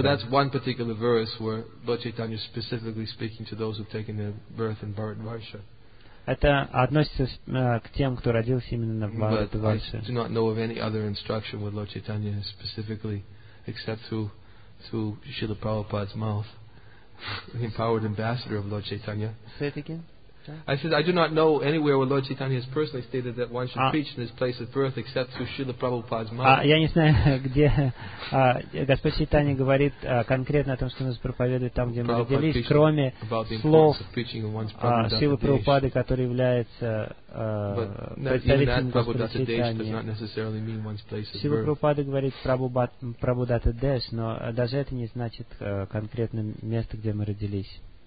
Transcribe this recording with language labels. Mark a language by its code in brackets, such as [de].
[en] So that's one particular verse where Lord Chaitanya is specifically speaking to those who've taken their birth in Bharatvarsha. [ru] Это относится к тем, кто родился именно в Бхагавадгите. [en] But I do not know of any other instruction with Lord Chaitanya specifically, except through Srila Prabhupada's mouth, the empowered ambassador of Lord Chaitanya. Say it again. I said, I do not know anywhere where Lord Chaitanya has personally stated that one should preach in his place of birth except through Srila Prabhupada's mouth. [ru] Я не знаю, где Господь Чайтанья говорит конкретно о том, что нас проповедует там, где мы родились, кроме слов Силы Прабхупады, который является представителем Господа Чайтанья. Сила Прабхупады говорит Прабхудата Деш, но даже это не значит конкретное место, где мы родились.